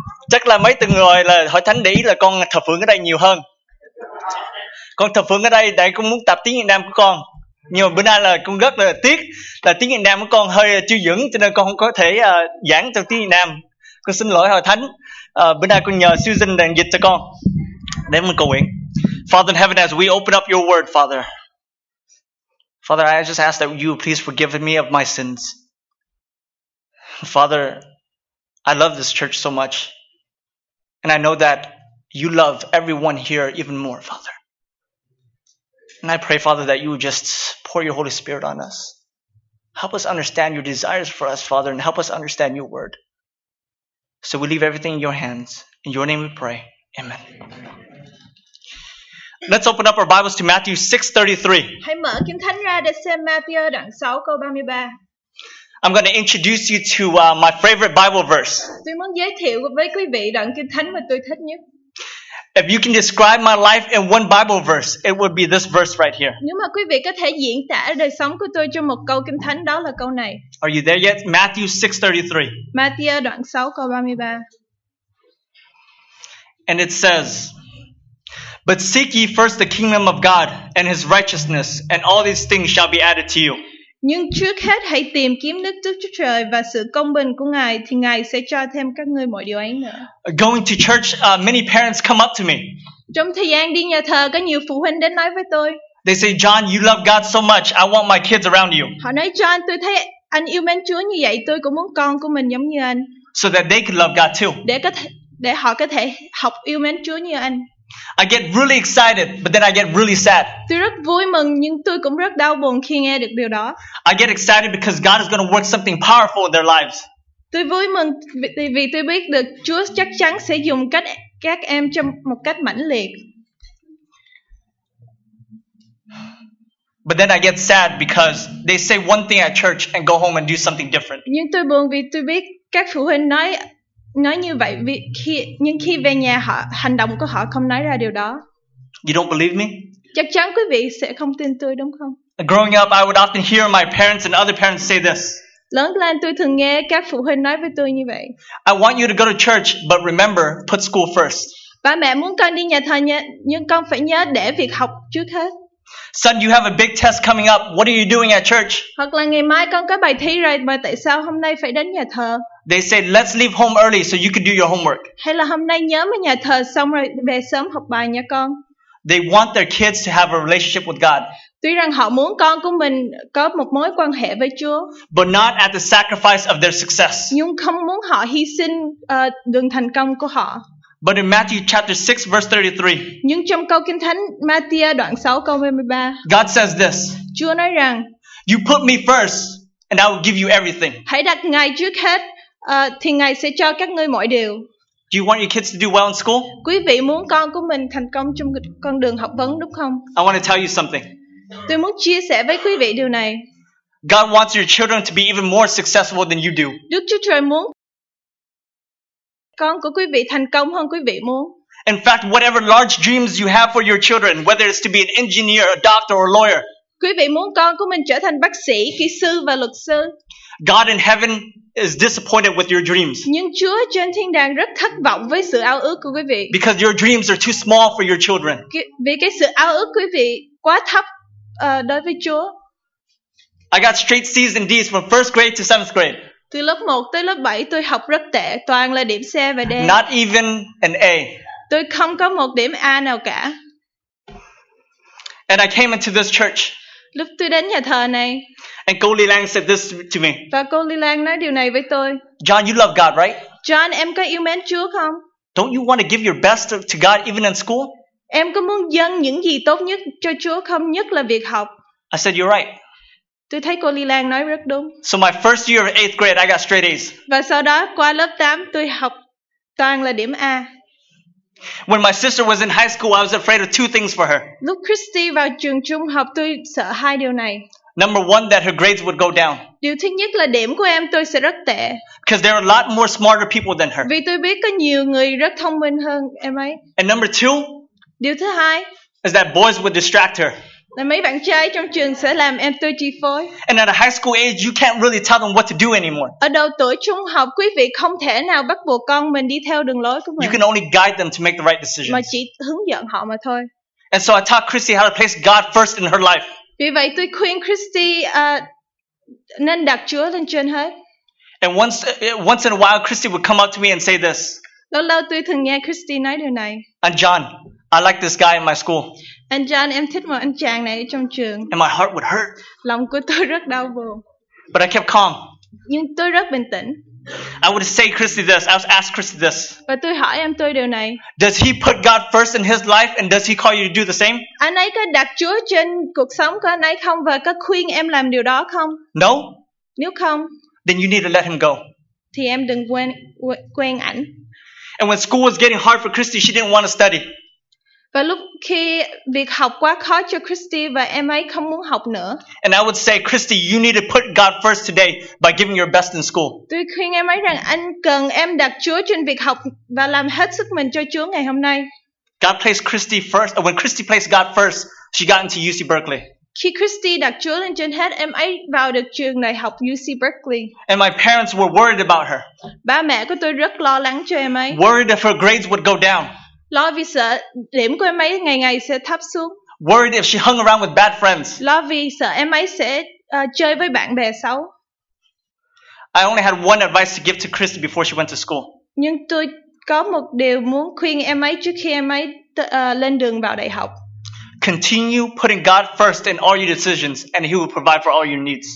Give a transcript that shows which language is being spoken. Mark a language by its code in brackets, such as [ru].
[vi] Chắc là mấy từng rồi là Hội Thánh để ý là con thập phượng ở đây nhiều hơn. Con thập phượng ở đây đại cũng muốn tập tiếng Việt Nam của con. Nhưng mà bữa nay là con rất là tiếc là tiếng Việt Nam của con hơi chưa vững, cho nên con không có thể giảng trong tiếng Việt Nam. Con xin lỗi Hội Thánh. Bữa nay con nhờ Susan đang dịch cho con. Để mình cầu nguyện. [en] Father in heaven, as we open up your word, Father. Father, I just ask that you please forgive me of my sins. Father, I love this church so much. And I know that you love everyone here even more, Father. And I pray, Father, that you would just pour your Holy Spirit on us. Help us understand your desires for us, Father, and help us understand your word. So we leave everything in your hands. In your name we pray. Amen. Let's open up our Bibles to Matthew 6:33. [vi] Hãy mở Kinh Thánh ra để xem Matthew đoạn 6 câu 33. [en] I'm going to introduce you to my favorite Bible verse. [vi] Tôi muốn giới thiệu với quý vị đoạn Kinh Thánh mà tôi thích nhất. [en] If you can describe my life in one Bible verse, it would be this verse right here. [vi] Nếu mà quý vị có thể diễn tả đời sống của tôi trong một câu Kinh Thánh, đó là câu này. [en] Are you there yet? Matthew 6:33. [vi] Matthew đoạn 6 câu 33. [en] And it says, but seek ye first the kingdom of God and his righteousness, and all these things shall be added to you. [vi] Nhưng trước hết hãy tìm kiếm nước Đức Chúa Trời và sự công bình của Ngài, thì Ngài sẽ cho thêm các ngươi mọi điều ấy nữa. [en] Going to church, many parents come up to me. [vi] Trong thời gian đi nhà thờ, có nhiều phụ huynh đến nói với tôi. [en] They say, John, you love God so much, I want my kids around you. [vi] Họ nói, John, tôi thấy anh yêu mến Chúa như vậy, tôi cũng muốn con của mình giống như anh. [en] So that they can love God too. [vi] Để họ có thể học yêu mến Chúa như anh. [en] I get really excited, but then I get really sad. [vi] Tôi rất vui mừng nhưng tôi cũng rất đau buồn khi nghe được điều đó. [en] I get excited because God is going to work something powerful in their lives. [vi] Tôi vui mừng vì tôi biết được Chúa chắc chắn sẽ dùng cách các em trong một cách mãnh liệt. [en] But then I get sad because they say one thing at church and go home and do something different. [vi] Nhưng tôi buồn vì tôi biết các phụ huynh nói như vậy vì khi về nhà họ hành động của họ không nói ra điều đó. [en] You don't believe me? [vi] Chắc chắn quý vị sẽ không tin tôi đúng không? [en] Growing up, I would often hear my parents and other parents say this. [vi] Lớn lên tôi thường nghe các phụ huynh nói với tôi như vậy. [en] I want you to go to church, but remember, put school first. [vi] Ba mẹ muốn con đi nhà thờ nhưng con phải nhớ để việc học trước hết. [en] Son, you have a big test coming up. What are you doing at church? [vi] Hoặc là ngày mai con có bài thi rồi mà tại sao hôm nay phải đến nhà thờ? [en] They said, let's leave home early so you can do your homework. [vi] Hay là hôm nay nhớ mà nhà thờ xong rồi về sớm học bài nha con. [en] They want their kids to have a relationship with God. [vi] Tuy rằng họ muốn con của mình có một mối quan hệ với Chúa. [en] But not at the sacrifice of their success. [vi] Nhưng không muốn họ hy sinh đường thành công của họ. [en] But in Matthew chapter 6 verse 33. [vi] Nhưng trong câu Kinh Thánh Matthew đoạn 6 câu 33. [en] God says this. [vi] Chúa nói rằng, [en] you put me first and I will give you everything. [vi] Hãy đặt Ngài trước hết. Thì Ngài sẽ cho các ngươi mọi điều. [en] Do you want your kids to do well in school? [vi] Quý vị muốn con của mình thành công trong con đường học vấn đúng không? [en] I want to tell you something. [vi] Tôi muốn chia sẻ với quý vị điều này. [en] God wants your children to be even more successful than you do. [vi] Đức Chúa Trời muốn con của quý vị thành công hơn quý vị muốn. [en] In fact, whatever large dreams you have for your children, whether it's to be an engineer, a doctor, or a lawyer. [vi] Quý vị muốn con của mình trở thành bác sĩ, kỹ sư và luật sư. [en] God in heaven is disappointed with your dreams. [vi] Nhưng Chúa trên thiên đàng rất thất vọng với sự ao ước của quý vị. [en] Because your dreams are too small for your children. [vi] Vì cái sự ao ước quý vị quá thấp đối với Chúa. [en] I got straight C's and D's from first grade to seventh grade. [vi] Từ lớp 1 tới lớp 7 tôi học rất tệ, toàn là điểm C và D. [en] Not even an A. [vi] Tôi không có một điểm A nào cả. [en] And I came into this church. [vi] Lúc tôi đến nhà thờ này. [en] And cô Lê Lan said this to me. [vi] Và cô Lê Lan nói điều này với tôi. [en] John, you love God, right? [vi] John, em có yêu mến Chúa không? [en] Don't you want to give your best to God even in school? [vi] Em có muốn dâng những gì tốt nhất cho Chúa không, nhất là việc học? [en] I said, you're right. [vi] Tôi thấy cô Lê Lan nói rất đúng. [en] So my first year of 8th grade, I got straight A's. [vi] Và sau đó qua lớp 8, tôi học toàn là điểm A. [en] When my sister was in high school, I was afraid of two things for her. [vi] Lúc Christy vào trường trung học, tôi sợ hai điều này. [en] Number one, that her grades would go down. [vi] Điều thứ nhất là điểm của em tôi sẽ rất tệ. [en] Because there are a lot more smarter people than her. [vi] Vì tôi biết có nhiều người rất thông minh hơn em ấy. [en] And number two, [vi] điều thứ hai, [en] is that boys would distract her. [vi] Là mấy bạn trai trong trường sẽ làm em tư chi phối. [en] And at a high school age, you can't really tell them what to do anymore. [vi] Ở độ tuổi trung học, quý vị không thể nào bắt buộc con mình đi theo đường lối của mình. [en] You can only guide them to make the right decisions. [vi] Mà chỉ hướng dẫn họ mà thôi. [en] And so I taught Christy how to place God first in her life. [vi] Vì vậy tôi khuyên Christy nên đặt Chúa lên trên hết. [en] And once in a while, Christy would come up to me and say this. [vi] Lâu lâu tôi thường nghe Christy nói điều này. [en] And John, I like this guy in my school. [vi] Anh John, em thích một anh chàng này trong trường. [en] And my heart would hurt. [vi] Lòng của tôi rất đau buồn. [en] But I kept calm. [vi] Nhưng tôi rất bình tĩnh. [en] I would say Christy this. I would ask Christy this. [vi] Và tôi hỏi em tôi điều này. [en] Does he put God first in his life and does he call you to do the same? [vi] Anh ấy có đặt Chúa trên cuộc sống của anh ấy không và có khuyên em làm điều đó không? [en] No. [vi] Nếu không. [en] Then you need to let him go. [vi] Thì em đừng quen ảnh. [en] And when school was getting hard for Christy, she didn't want to study. [vi] Và lúc khi việc học quá khó cho Christy và em ấy không muốn học nữa. [en] And I would say, Christy, you need to put God first today by giving your best in school. [vi] Tôi khuyên em ấy rằng anh cần em đặt Chúa trên việc học và làm hết sức mình cho Chúa ngày hôm nay. [en] God placed Christy first. When Christy placed God first, she got into UC Berkeley. [vi] Khi Christy đặt Chúa lên trên hết, em ấy vào được trường đại học UC Berkeley. [en] And my parents were worried about her. [vi] Ba mẹ của tôi rất lo lắng cho em ấy. [en] Worried if her grades would go down. [vi] Lo vì sợ điểm của em ấy ngày ngày sẽ thấp xuống. [en] Worried if she hung around with bad friends. [vi] Lo vì sợ em ấy sẽ chơi với bạn bè xấu. [en] I only had one advice to give to Christy before she went to school. [vi] Nhưng tôi có một điều muốn khuyên em ấy trước khi em ấy lên đường vào đại học. [en] Continue putting God first in all your decisions and he will provide for all your needs.